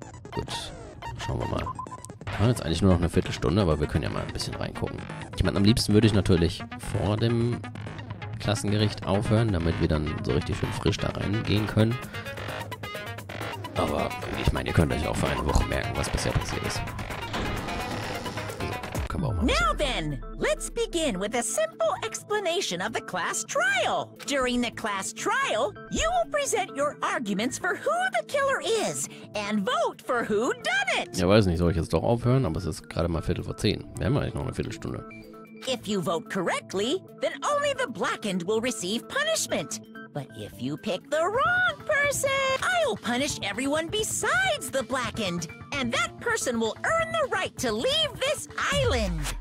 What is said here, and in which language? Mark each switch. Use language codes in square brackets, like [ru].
[de] Gut, schauen wir mal. Wir haben jetzt eigentlich nur noch eine Viertelstunde, aber wir können ja mal ein bisschen reingucken. Ich meine, am liebsten würde ich natürlich vor dem Klassengericht aufhören, damit wir dann so richtig schön frisch da reingehen können. Aber ich meine, ihr könnt euch auch für eine Woche merken, was bisher passiert ist. So, können wir auch mal. [en] Now then, let's begin with a simple explanation of the class trial. During the class trial, you will present your arguments for who the killer is and vote for who done it. [de] Ja, weiß nicht, soll ich jetzt doch aufhören, aber es ist gerade mal 9:45. Wir haben eigentlich noch eine Viertelstunde. [en] If you vote correctly, then only the blackened will receive punishment. But if you pick the wrong person, I'll punish everyone besides the blackened. And that person will earn the right to leave this island.